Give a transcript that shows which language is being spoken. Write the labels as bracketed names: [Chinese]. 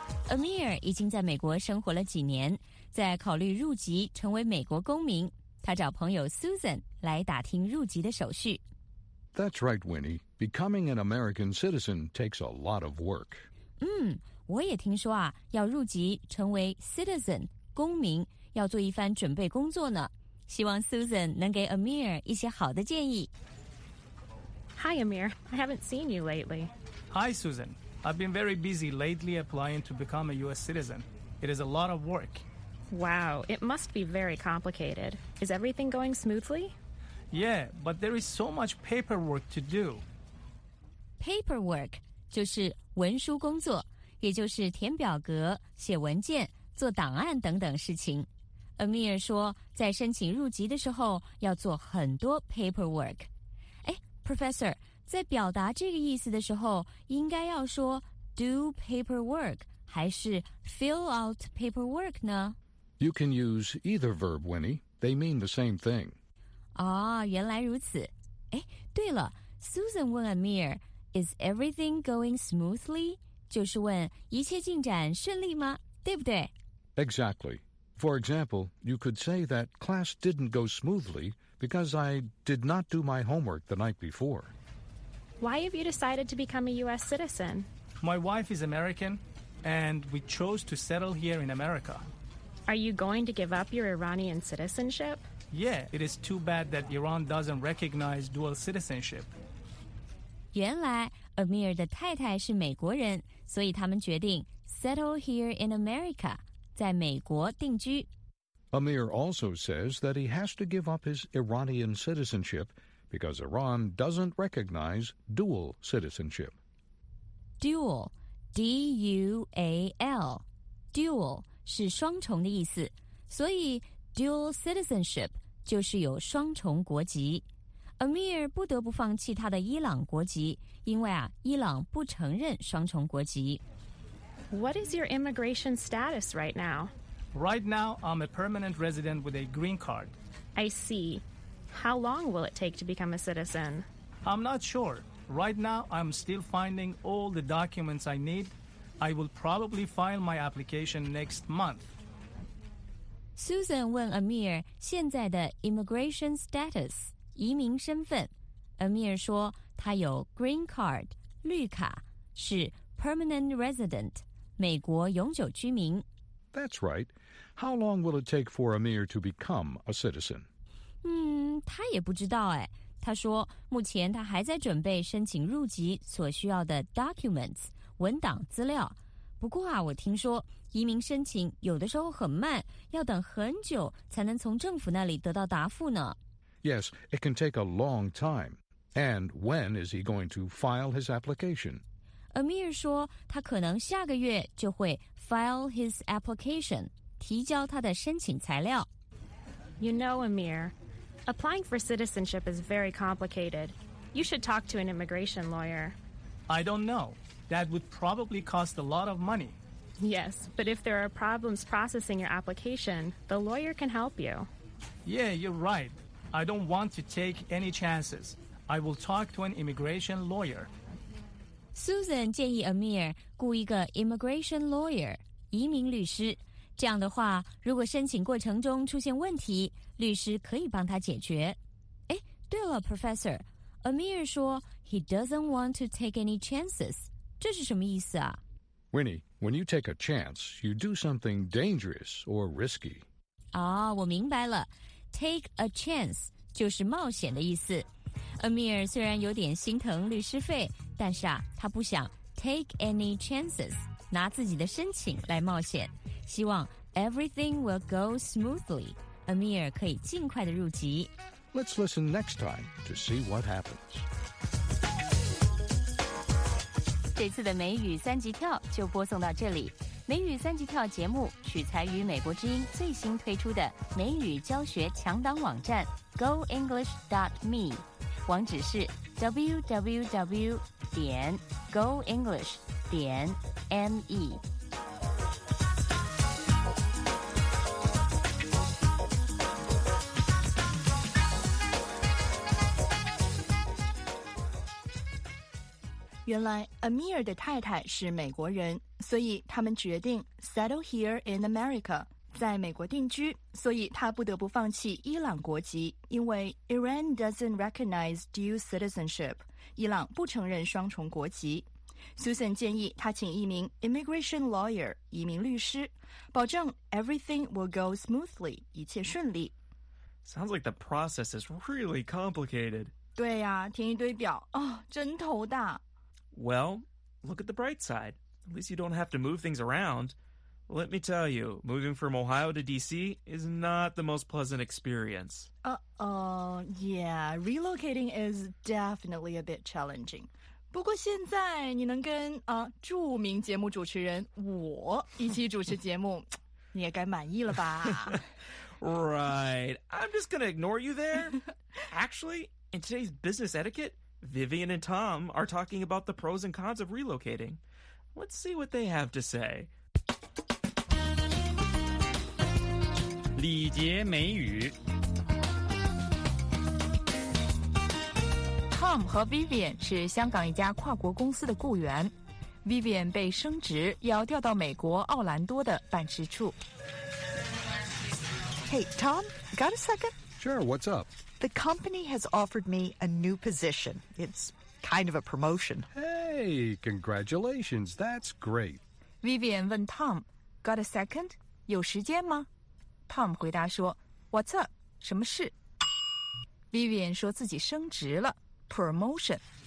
[Chinese] Amir 已经在美国生活了几年，在考虑入籍成为美国公民，他找朋友 Susan 来打听入籍的手续。 [English] That's right, Winnie. Becoming an American citizen takes a lot of work. [Chinese] 我也听说啊，要入籍成为 citizen 公民，要做一番准备工作呢。希望 Susan 能给 Amir 一些好的建议。 [English] Hi Amir, I haven't seen you lately. Hi Susan, I've been very busy lately applying to become a U.S. citizen. It is a lot of work. Wow, it must be very complicated. Is everything going smoothly? Yeah, but there is so much paperwork to do. [Chinese] Paperwork 就是文书工作。也就是填表格、写文件、做档案等等事情。 Amir 说，在申请入籍的时候要做很多 paperwork。哎 ，Professor， 在表达这个意思的时候，应该要说 [English] do paperwork [Chinese] 还是 [English] fill out paperwork [Chinese] 呢？ [English] You can use either verb, Winnie. They mean the same thing. [Chinese] 哦，原来如此。哎，对了 ，Susan 问 Amir, [English] "Is everything going smoothly?" [Chinese] 就是问一切进展顺利吗？对不对 [English] ？Exactly. For example, you could say that class didn't go smoothly because I did not do my homework the night before. Why have you decided to become a U.S. citizen? My wife is American, and we chose to settle here in America. Are you going to give up your Iranian citizenship? Yeah, it is too bad that Iran doesn't recognize dual citizenship. [Chinese] 原来 Amir 的太太是美国人，所以他们决定 [English] settle here in America, [Chinese] 在美国定居。 [English] Amir also says that he has to give up his Iranian citizenship because Iran doesn't recognize dual citizenship. Dual, D-U-A-L, dual. [Chinese] 是双重的意思，所以 dual citizenship 就是有双重国籍。 Amir 不得不放弃他的伊朗国籍，因为啊，伊朗不承认双重国籍。 [English] What is your immigration status right now? Right now, I'm a permanent resident with a green card. I see. How long will it take to become a citizen? I'm not sure. Right now, I'm still finding all the documents I need. I will probably file my application next month. [Chinese] Susan 问 Amir 现在的 immigration status, 移民身份。 Amir 说他有 green card, 绿卡，是 permanent resident, 美国永久居民。 [English] That's right. How long will it take for Amir to become a citizen? [Chinese] 他也不知道哎。他说目前他还在准备申请入籍所需要的 documents,文档资料，不过啊，我听说移民申请有的时候很慢，要等很久才能从政府那里得到答复呢。 [English] Yes, it can take a long time. And when is he going to file his application? [Chinese] Amir 说他可能下个月就会 [English] file his application, [Chinese] 提交他的申请材料。 [English] You know, Amir, applying for citizenship is very complicated. You should talk to an immigration lawyer. I don't know. That would probably cost a lot of money. Yes, but if there are problems processing your application, the lawyer can help you. Yeah, you're right. I don't want to take any chances. I will talk to an immigration lawyer. [Chinese] Susan 建议 Amir 雇一个 immigration lawyer, 移民律师。这样的话，如果申请过程中出现问题，律师可以帮他解决。哎，对了 ，Professor, Amir 说 [English] he doesn't want to take any chances. [Chinese] 这是什么意思啊 [English] ？Winnie, when you take a chance, you do something dangerous or risky. [Chinese] 哦，我明白了 ， [English] take a chance [Chinese] 就是冒险的意思。 Amir 虽然有点心疼律师费，但是啊，他不想 [English] take any chances， [Chinese] 拿自己的申请来冒险。希望 [English] everything will go smoothly. [Chinese] Amir 可以尽快的入籍。 [English] Let's listen next time to see what happens. [Chinese] 这次的美语三级跳就播送到这里。美语三级跳节目取材于美国之音最新推出的美语教学强档网站 goenglish.me， 网址是 www.goenglish.me。原来 Amir 的太太是美国人，所以他们决定 [English] settle here in America， [Chinese] 在美国定居，所以他不得不放弃伊朗国籍，因为 [English] Iran doesn't recognize dual citizenship， [Chinese] 伊朗不承认双重国籍。 Susan 建议他请一名 immigration lawyer， 移民律师，保证 [English] everything will go smoothly， [Chinese] 一切顺利。 [English] Sounds like the process is really complicated. [Chinese] 对呀、啊，填一堆表，哦，真头大。 [English] Well, look at the bright side. At least you don't have to move things around. Let me tell you, moving from Ohio to D.C. is not the most pleasant experience. Relocating is definitely a bit challenging. [Chinese] 不过现在你能跟著名节目主持人我一起主持节目，你也该满意了吧？ [English] Right. I'm just going to ignore you there. Actually, in today's business etiquette,Vivian and Tom are talking about the pros and cons of relocating. Let's see what they have to say. [Chinese] 李杰美语。 Tom 和 Vivian 是香港一家跨国公司的雇员。 Vivian 被升职，要调到美国奥兰多的办事处。 [English] Hey, Tom, got a second? Sure, what's up? The company has offered me a new position. It's kind of a promotion. Hey, congratulations, that's great. [Chinese] Vivian 问 Tom, [English] got a second? [Chinese] 有时间吗？ Tom 回答说 [English] What's up? [Chinese] 什么事？ Vivian 说自己升职了 Promotion.